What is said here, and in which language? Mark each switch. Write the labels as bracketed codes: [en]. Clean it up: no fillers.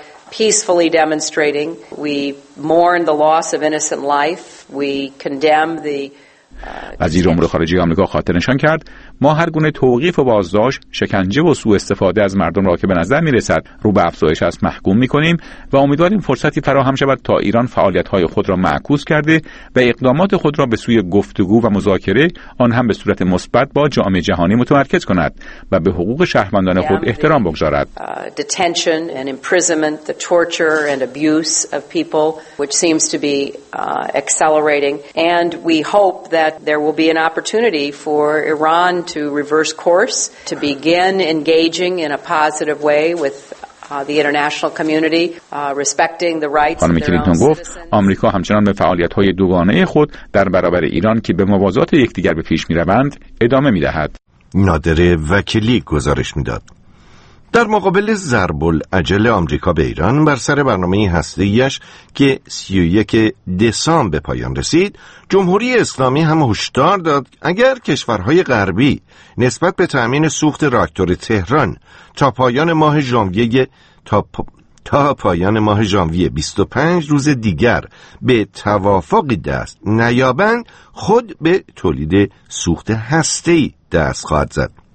[en] Peacefully demonstrating, we mourn the loss of innocent life, we condemn the [fa] وزیر امور خارجه آمریکا خاطر نشان کرد ما هر گونه توقیف و بازداشت، شکنجه و سوء استفاده از مردم را که به نظر می‌رسد رو به افزایش است محکوم می‌کنیم و امیدواریم فرصتی فراهم شود تا ایران فعالیت‌های خود را معکوس کرده و اقدامات خود را به سوی گفتگو و مذاکره، آن هم به صورت مثبت با جامعه جهانی متمرکز کند و به حقوق شهروندان خود احترام بگذارد. [en] Detention and imprisonment, the torture and abuse of people which seems to be accelerating and we hope that there will be an opportunity for Iran to reverse course, to begin engaging in a positive way with the international community, respecting the rights. [fa] خانم کلینتون گفت آمریکا همچنان به فعالیت‌های دوگانه خود در برابر ایران که به موازات یکدیگر به پیش می‌روند ادامه می‌دهد. نادر وکیلی گزارش می‌داد. در مقابل ضرب العجل آمریکا به ایران بر سر برنامه هسته‌ای‌اش که 31 دسامبر به پایان رسید، جمهوری اسلامی هم هشدار داد اگر کشورهای غربی نسبت به تأمین سوخت راکتور تهران تا پایان ماه ژانویه 25 روز دیگر به توافقی دست نیابند، خود به تولید سوخت هسته‌ای دست خواهد زد.